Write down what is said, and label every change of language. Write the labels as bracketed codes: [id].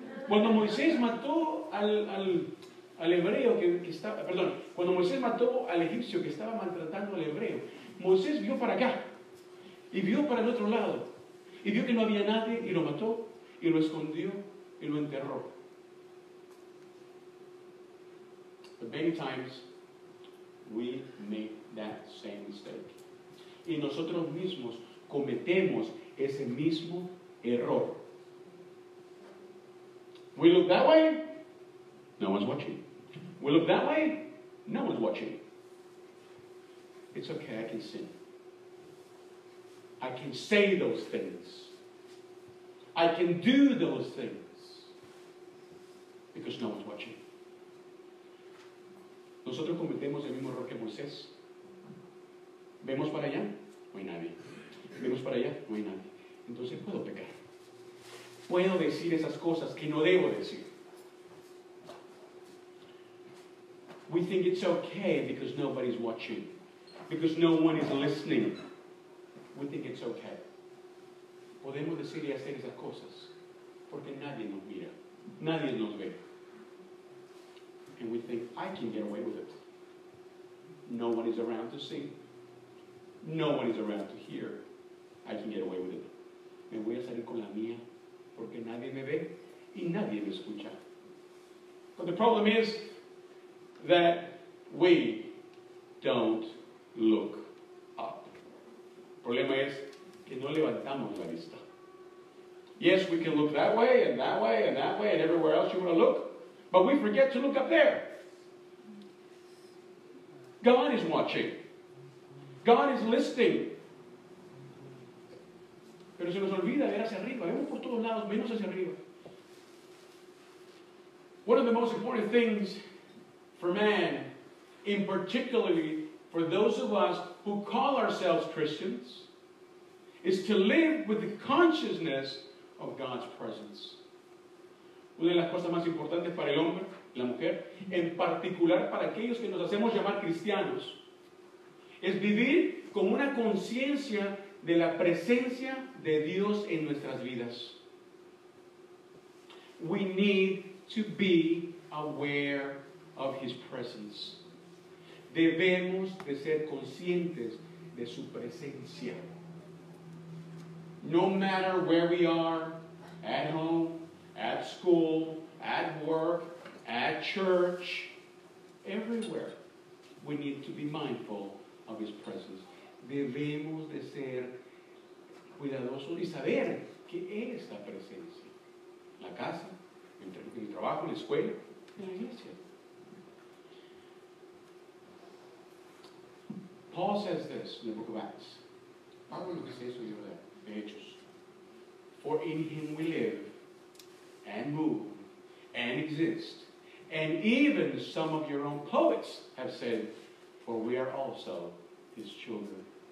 [es] Cuando Moisés mató al hebreo que estaba, perdón, cuando Moisés mató al egipcio que estaba maltratando al hebreo, Moisés vio para acá y vio para el otro lado y vio que no había nadie y lo mató y lo escondió y lo enterró. [en] But many times we make that same mistake. [es] Y nosotros mismos cometemos ese mismo error. [en] We look that way, no one's watching. We look that way, no one's watching. It's okay, I can sin. I can say those things. I can do those things. Because no one's watching. [es] Nosotros cometemos el mismo error que Moisés. Vemos para allá, no hay nadie. Vemos para allá, no hay nadie. Entonces puedo pecar. Puedo decir esas cosas que no debo decir. [en] We think it's okay because nobody's watching. Because no one is listening. We think it's okay. [es] Podemos decir y hacer esas cosas porque nadie nos mira. Nadie nos ve. [en] And we think, I can get away with it. No one is around to see. No one is around to hear. I can get away with it. [es] Me voy a salir con la mía. Porque nadie me ve y nadie me escucha. [en] But the problem is that we don't look up. [es] El problema es que no levantamos la vista. [en] Yes, we can look that way and that way and that way and everywhere else you want to look. But we forget to look up there. God is watching. God is listening. [es] Pero se nos olvida ver hacia arriba. Vemos por todos lados, menos hacia arriba. [en] One of the most important things for man, in particularly for those of us who call ourselves Christians, is to live with the consciousness of God's presence. [es] Una de las cosas más importantes para el hombre, la mujer, en particular para aquellos que nos hacemos llamar cristianos, es vivir con una conciencia de la presencia de Dios en nuestras vidas. [en] We need to be aware of His presence. [es] Debemos de ser conscientes de su presencia. [en] No matter where we are, at home, at school, at work, at church, everywhere, we need to be mindful of His presence. [es] Debemos de ser cuidadosos y saber que Él está presente. La casa, el trabajo, la escuela, la iglesia. [en] Paul says this in the book of Acts. [es] Pablo lo dice eso, de Hechos. [en] For in Him we live and move and exist. And even some of your own poets have said, for we are also his children.